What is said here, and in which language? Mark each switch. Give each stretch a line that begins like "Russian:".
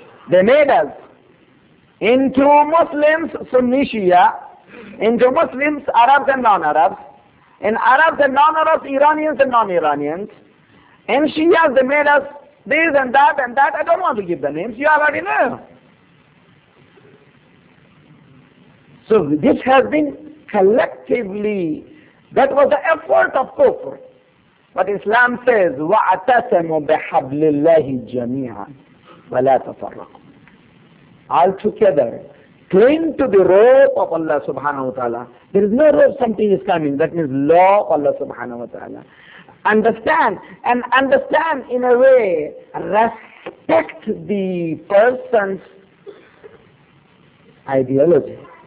English: They made us into Muslims, Sunni Shia, into Muslims, Arabs and non-Arabs, in Arabs and non-Arabs, Iranians and non-Iranians, in Shias they made us this and that and that. I don't want to give the names, you already know. So this has been collectively, that was the effort of kufr. But Islam says,
Arabic: وَعْتَسَمُ بِحَبْلِ اللَّهِ جَمِيعًا وَلَا تَفَرَّقُوا.
English: All together, cling to the rope of Allah subhanahu wa ta'ala. There is no rope, something is coming. That means law of Allah subhanahu wa ta'ala. Understand, and understand in a way, respect the person's ideology.